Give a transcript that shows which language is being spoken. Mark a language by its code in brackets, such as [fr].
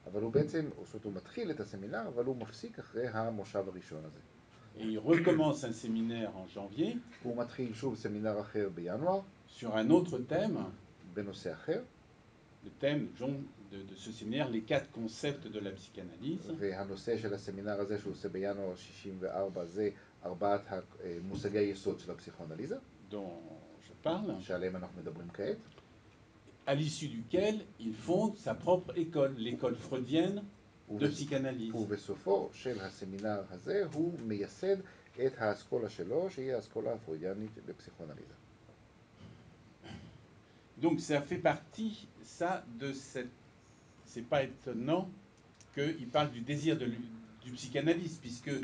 [he] אבל הוא בעצם, הוא מתחיל את הסמינר, אבל הוא מפסיק אחרי המושב הראשון הזה. [fr] Et il recommence un séminaire en janvier. [he] הוא מתחיל שוב סמינר אחר בינואר. [fr] Sur un autre thème. [he] בנושא אחר. [fr] Le thème de ce séminaire, les quatre concepts de la psychanalyse. [he] והנושא של הסמינר הזה שהוא עושה בינואר 64 זה ארבעת מושגי היסוד של הפסיכואנליזה. [fr] Dont je parle. [he] שעליהם אנחנו מדברים כעת. [fr] À l'issue duquel il fonde sa propre école, l'école freudienne de psychanalyse. Pour Vesofo, chez le séminaire Hazé, où Meyassed est à l'école chez l'Oche et à l'école freudienne de psychanalyse. Donc ça fait partie, ça, de cette. C'est pas étonnant qu'il parle du désir de du psychanalyste, puisque.